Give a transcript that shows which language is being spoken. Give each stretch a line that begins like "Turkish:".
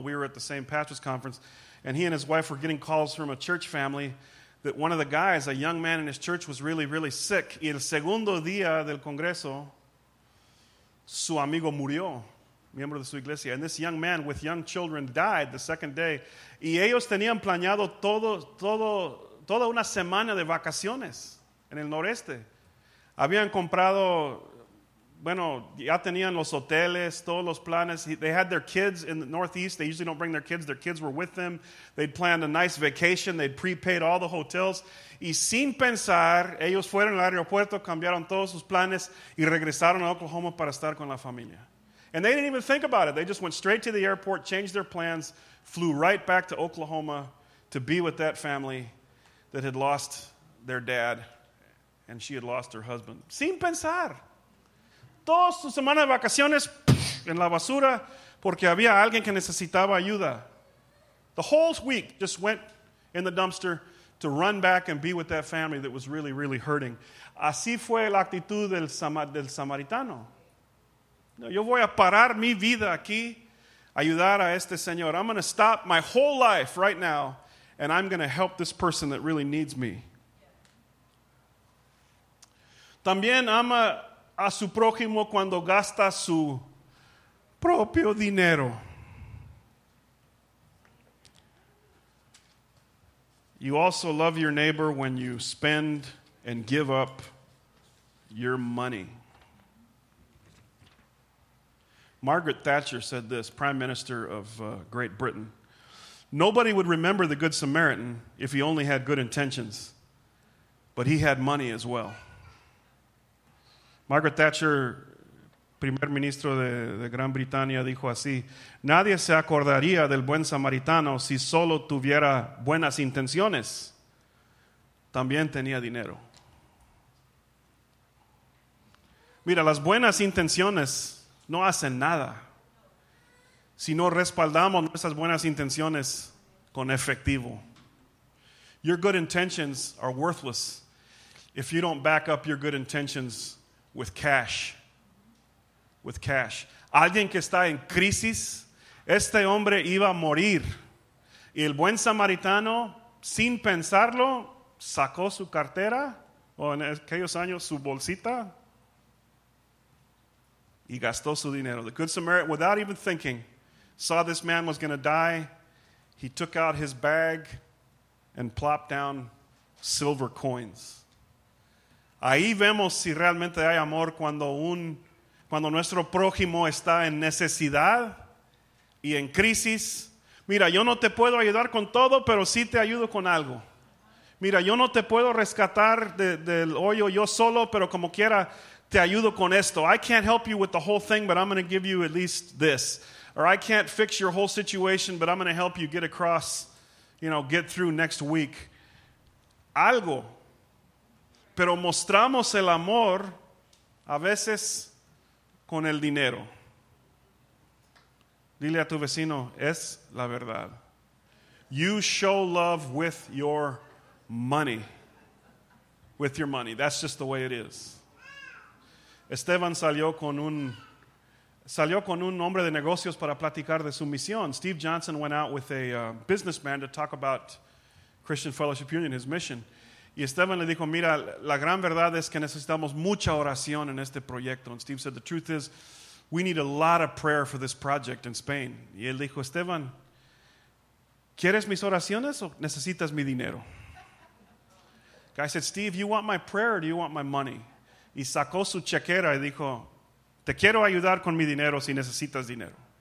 English: We were at the same pastor's conference, and he and his wife were getting calls from a church family that one of the guys, a young man in his church, was really, really sick.
Spanish: Y el segundo día del congreso, su amigo murió, miembro de su iglesia.
English: And this young man with young children died the second day.
Spanish: Y ellos tenían planeado toda una semana de vacaciones en el noreste. Habían comprado... Bueno, ya tenían los hoteles, todos los planes.
English: They had their kids in the Northeast. They usually don't bring their kids. Their kids were with them. They'd planned a nice vacation. They'd prepaid all the hotels.
Spanish: Y sin pensar, ellos fueron al aeropuerto, cambiaron todos sus planes y regresaron a Oklahoma para estar con la familia.
English: And they didn't even think about it. They just went straight to the airport, changed their plans, flew right back to Oklahoma to be with that family that had lost their dad and she had lost her husband.
Spanish: Sin pensar. Todas sus semanas de vacaciones en la basura porque había alguien que necesitaba ayuda.
English: The whole week just went in the dumpster to run back and be with that family that was really, really hurting.
Spanish: Así fue la actitud del samaritano. No, yo voy a parar mi vida aquí, ayudar a este señor.
English: I'm going to stop my whole life right now and I'm going to help this person that really needs me.
Spanish: También ama a su prójimo cuando gasta su propio dinero.
English: You also love your neighbor when you spend and give up your money. Margaret Thatcher said this, Prime Minister of Great Britain, "Nobody would remember the Good Samaritan if he only had good intentions, but he had money as well."
Spanish: Margaret Thatcher, primer ministro de Gran Bretaña, dijo así, "Nadie se acordaría del buen samaritano si solo tuviera buenas intenciones. También tenía dinero." Mira, las buenas intenciones no hacen nada si no respaldamos nuestras buenas intenciones con efectivo.
English: Your good intentions are worthless if you don't back up your good intentions with cash. With cash.
Spanish: Alguien que está en crisis, este hombre iba a morir. Y el buen samaritano, sin pensarlo, sacó su cartera, o en aquellos años, su bolsita, y gastó su dinero.
English: The good Samaritan, without even thinking, saw this man was going to die. He took out his bag and plopped down silver coins.
Spanish: Ahí vemos si realmente hay amor cuando nuestro prójimo está en necesidad y en crisis. Mira, yo no te puedo ayudar con todo, pero sí te ayudo con algo. Mira, yo no te puedo rescatar del hoyo yo solo, pero como quiera te ayudo con esto.
English: I can't help you with the whole thing, but I'm going to give you at least this. Or I can't fix your whole situation, but I'm going to help you get across, you know, get through next week.
Spanish: Algo. Pero mostramos el amor a veces con el dinero. Dile a tu vecino, es la verdad.
English: You show love with your money. With your money. That's just the way it is.
Spanish: Esteban salió con un hombre de negocios para platicar de su misión.
English: Steve Johnson went out with a businessman to talk about Christian Fellowship Union, his mission.
Spanish: Y Esteban le dijo, mira, la gran verdad es que necesitamos mucha oración en este proyecto.
English: And Steve said, the truth is, we need a lot of prayer for this project in Spain.
Spanish: Y él dijo, Esteban, ¿quieres mis oraciones o necesitas mi dinero?
English: Guy said, Steve, you want my prayer or do you want my money?
Spanish: Y sacó su chequera y dijo, te quiero ayudar con mi dinero si necesitas dinero.